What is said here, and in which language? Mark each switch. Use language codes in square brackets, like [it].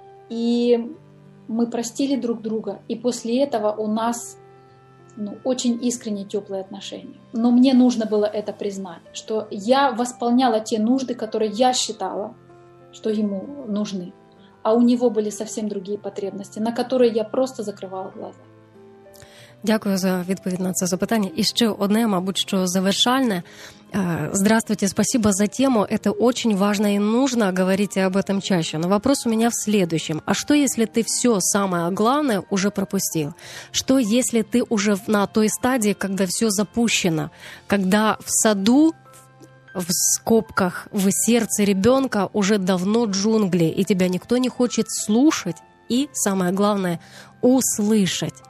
[ru] И мы простили друг друга, и после этого у нас очень искренне теплые отношения. Но мне нужно было это признать, что я восполняла те нужды, которые я считала, что ему нужны, а у него были совсем другие потребности, на которые я просто закрывала глаза. [uk] Дякую за відповідь на це запитання. І ще одне, мабуть, що завершальне. [ru] Здравствуйте, спасибо за тему. Это очень важно и нужно говорить об этом чаще. Но вопрос у меня в следующем. А что, если ты все самое главное уже пропустил? Что, если ты уже на той стадии, когда все запущено? Когда в саду, в скобках, в сердце ребенка уже давно джунгли, и тебя никто не хочет слушать и, самое главное, услышать?